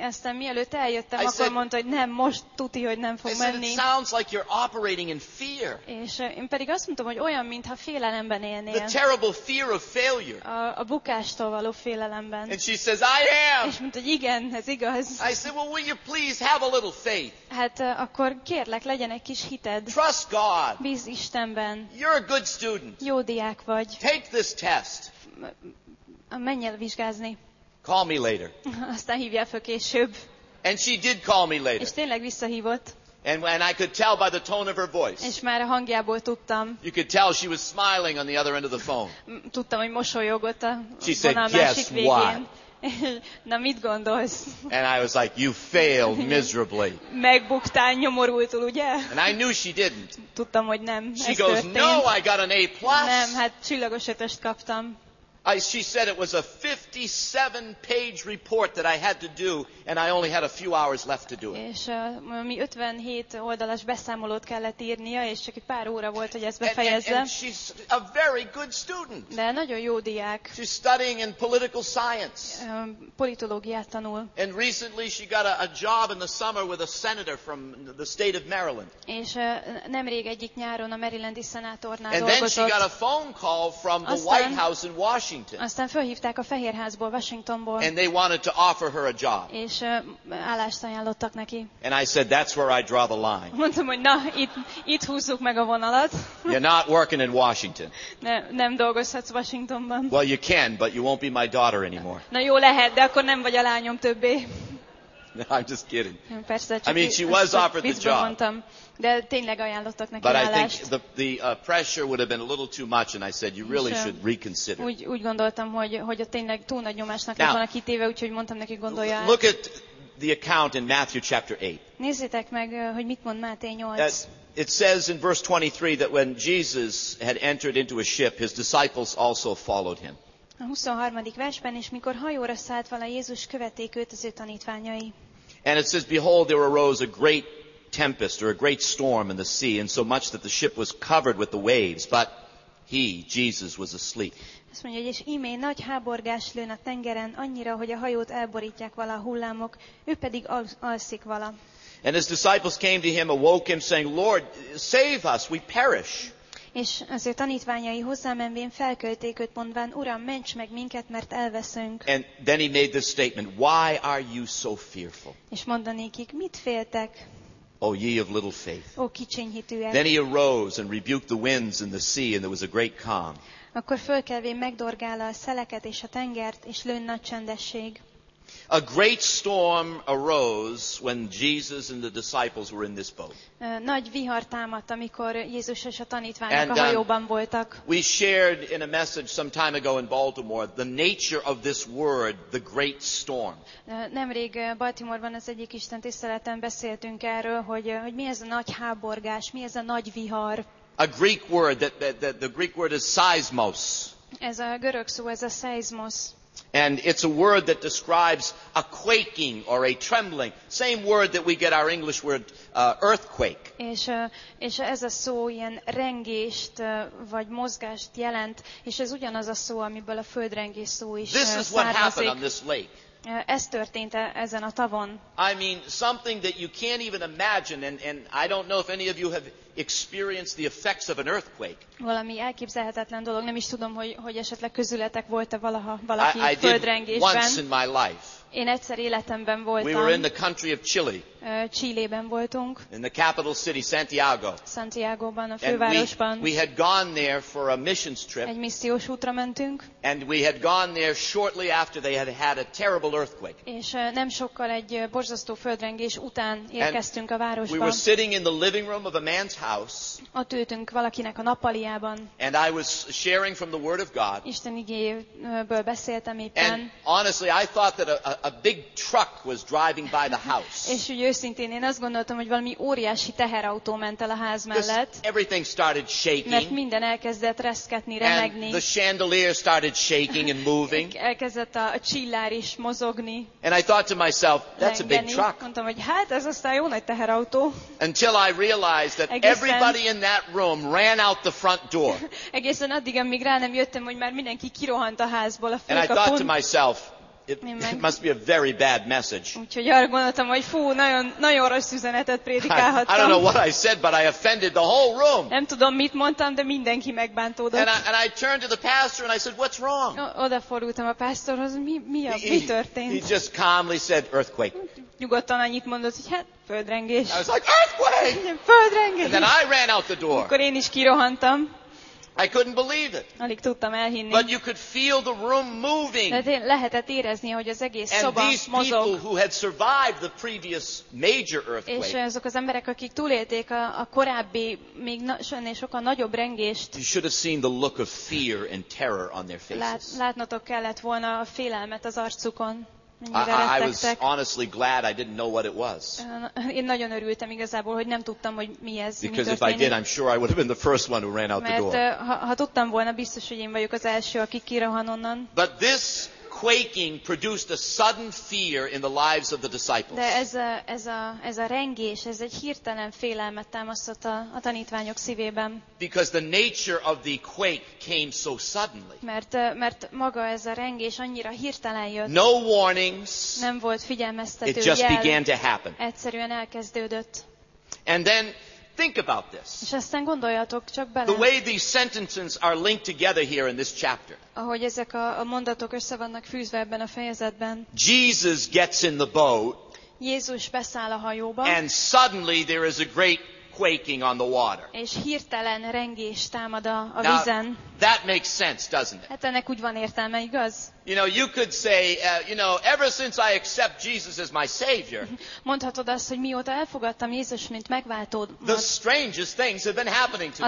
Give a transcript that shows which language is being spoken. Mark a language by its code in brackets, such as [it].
[hu] Eztem, mielőtt eljöttem, akkor mondta, hogy nem, most tuti, hogy nem fog menni. [en] It sounds like you're operating in fear. [hu] És én pedig azt mondtam, hogy olyan, mintha félelemben élnél. [en] The terrible fear of failure. [hu] A bukástól való félelemben. [en] And she says, I am. [hu] És mondta, hogy igen, ez igaz. [en] I said, well, will you please have a little faith. [hu] Hát akkor kérlek, legyen egy kis hited. [en] Trust God. [hu] Bízz Istenben. [en] You're a good student. [hu] Jó diák vagy. [en] Take this test. [hu] Menj el vizsgázni. [en] Call me later. [hu] Aztán hívjál fel később. [en] And she did call me later. [hu] És tényleg visszahívott. [en] And I could tell by the tone of her voice. [hu] És már a hangjából tudtam. [en] You could tell she was smiling on the other end of the phone. [hu] Tudtam, hogy mosolyogott a vonal másik végén. [en] She said, yes, why? [hu] Na, mit gondolsz? [en] And I was like, you failed miserably. [hu] Megbuktál nyomorultul, ugye? [en] And I knew she didn't. [hu] Tudtam, hogy nem. [en] She goes, no, I got an A+. [hu] Nem, hát csillagos ötöst kaptam. [en] She said it was a 57-page report that I had to do, and I only had a few hours left to do it. [hu] És mi 57 oldalas beszámolót kellett írnia, és csak egy pár óra volt, hogy ezt befejezzem. [en] And she's a very good student. [hu] De nagyon jó diák. [en] She's studying in political science. [hu] Politológiát tanul. [en] And recently she got a job in the summer with a senator from the state of Maryland. És nemrég egyik nyáron a marylandi szenátornál dolgozott. And then she got a phone call from the White House in Washington. Washington. [hu] Aztán fölhívták a Fehérházból, Washingtonból. [en] And they wanted to offer her a job. [hu] És állást ajánlottak neki. [en] And I said, that's where I draw the line. [hu] Mondtam, hogy na, itt húzzuk meg a vonalat. [en] You're not working in Washington. [hu] Nem dolgozhatsz Washingtonban. [en] Well, you can, but you won't be my daughter anymore. [hu] Na jó lehet, de akkor nem vagy a lányom többé. [en] No, I'm just kidding. [hu] Persze, [en] I mean, she was offered the job. [hu] Mondtam. De tényleg ajánlottak neki [en] But I think the pressure would have been a little too much, and I said you really should reconsider. [hu] Úgy gondoltam, hogy a tényleg túl nagy nyomásnak lett volna kitéve, úgyhogy mondtam neki, gondolja. [en] Look at the account in Matthew chapter 8. [hu] Nézzétek meg, hogy mit mond Máté 8. [en] It says in verse 23 that when Jesus had entered into a ship, his disciples also followed him. [hu] A 23. versben, és mikor hajóra szállt vala, Jézus követték őt az ő tanítványai. [en] And it says, behold, there arose a great tempest or a great storm in the sea, and so much that the ship was covered with the waves, but he, Jesus, was asleep. [hu] Azt mondja, hogy és íme nagy háborgás lőn a tengeren, annyira, hogy a hajót elborítják vala a hullámok, ő pedig alszik vala. [en] And his disciples came to him, awoke him, saying, Lord, save us, we perish. [hu] És az ő tanítványai hozzámenvén felkölték őt, mondván, Uram, ments meg minket, mert elveszünk. [en] And then he made this statement, why are you so fearful? [hu] És mondanékik, mit féltek? [en] O ye of little faith. [hu] O kicsiny hitűek. [en] Then he arose and rebuked the winds and the sea, and there was a great calm. [hu] Akkor fölkelvén megdorgálta a szeleket és a tengert, és lőn nagy csendesség. [en] A great storm arose when Jesus and the disciples were in this boat. [hu] Nagy vihar támadt, amikor Jézus és a tanítványok a hajóban voltak. [en] We shared in a message some time ago in Baltimore the nature of this word, the great storm. [hu] Nemrég Baltimoreban az egyik Isten tiszteleten beszéltünk erről, hogy mi ez a nagy háborgás, mi ez a nagy vihar. [en] A Greek word, that the Greek word is seismos. [hu] Ez a görög szó, ez a seismos. [en] And it's a word that describes a quaking or a trembling. Same word that we get our English word earthquake. [hu] És ez a szó ilyen rengést vagy mozgást jelent, és ez ugyanaz a szó, amiből a földrengés szó is [en] This is what happened on this lake. [hu] Ez történt ezen a tavon. [en] I mean, something that you can't even imagine, and I don't know if any of you have experienced the effects of an earthquake. [hu] Valami elképzelhetetlen dolog, nem is tudom, hogy esetleg közületek volt-e valaha valaki földrengésben. [en] Once in my life. [hu] Én egyszer életemben voltam. [en] We were in the country of Chile. [hu] Chileben voltunk. [en] In the capital city, Santiago. [hu] Santiago-ban, a fővárosban. [en] And we had gone there for a missions trip. [hu] Egy missziós útra mentünk. [en] And we had gone there shortly after they had a terrible earthquake. [hu] És nem sokkal egy borzasztó földrengés után érkeztünk a városba. [en] We were sitting in the living room of a man's house. [hu] Ott ültünk valakinek a nappaliában. [en] And I was sharing from the word of God. [hu] Isten igéből beszéltem éppen. [en] And honestly, I thought that a big truck was driving by the house. [hu] És úgy őszintén, én azt gondoltam, hogy valami óriási teherautó ment el a ház mellett. [en] Everything started shaking. [hu] Mert minden elkezdett reszketni, remegni. [en] And the chandelier started shaking and moving. [hu] Elkezdett a csillár is mozogni. [en] And I thought to myself, that's a big truck. [hu] Mondtam, hogy hát ez aztán jó nagy teherautó. [en] Until I realized that everybody in that room ran out the front door. [hu] Egészen addig, amíg rá nem jöttem, hogy már mindenki kirohant a házból a főkapun. [en] And I thought to myself, It must be a very bad message. [hu] Úgyhogy arra gondoltam, hogy fú, nagyon rossz üzenetet prédikálhattam. [en] I don't know what I said, but I offended the whole room. [hu] Nem tudom, mit mondtam, de mindenki megbántódott. [en] And I turned to the pastor and I said, what's wrong? [hu] Odafordultam a pastorhoz, mi történt? [en] He just calmly said, earthquake. [hu] Nyugodtan annyit mondott, hogy hát, földrengés. [en] I was like, earthquake! [hu] Földrengés. [en] And then I ran out the door. [hu] Akkor én is kirohantam. [en] I couldn't believe it. [hu] Alig tudtam elhinni. [en] But you could feel the room moving. [hu] De lehetett érezni, hogy az egész [en] And [hu] szoba [en] these [hu] mozog. [en] People who had survived the previous major earthquake. [hu] És azok az emberek, akik túlélték a korábbi még sokkal nagyobb rengést. [en] You should have seen the look of fear and terror on their faces. [hu] Látnotok kellett volna a félelmet az arcukon. [en] I was honestly glad I didn't know what it was. [hu] Én nagyon örültem igazából, hogy nem tudtam, hogy mi ez. [en] Because if I did, I'm sure I would have been the first one who ran out the door. [hu] Mert ha tudtam volna, biztos, hogy én vagyok az első, aki kirohan onnan. [en] But this quaking produced a sudden fear in the lives of the disciples. [hu] De ez a rengés, ez egy hirtelen félelmet támasztott a tanítványok szívében. [en] Because the nature of the quake came so suddenly. [hu] Mert maga ez a rengés annyira hirtelen jött. [en] No warnings. [hu] Nem volt figyelmeztető [en] jel. It just began to happen. [hu] Egyszerűen elkezdődött. [en] And then Think about this. [hu] És aztán gondoljatok csak bele. [en] The way these sentences are linked together here in this chapter. [hu] Ahogy ezek a mondatok össze vannak fűzve ebben a fejezetben. [en] Jesus gets in the boat. [hu] Jézus beszáll a hajóba. [en] And suddenly there is a great quaking on the water. [hu] És hirtelen rengés támad a vízen. [en] That makes sense, doesn't it? [hu] Hát ennek úgy van értelme, igaz? [en] You know, you could say, you know, ever since I accept Jesus as my savior. [hu] Mondhatod azt, hogy mióta elfogadtam Jézus mint megváltód. [en] The strangest things have been happening to me.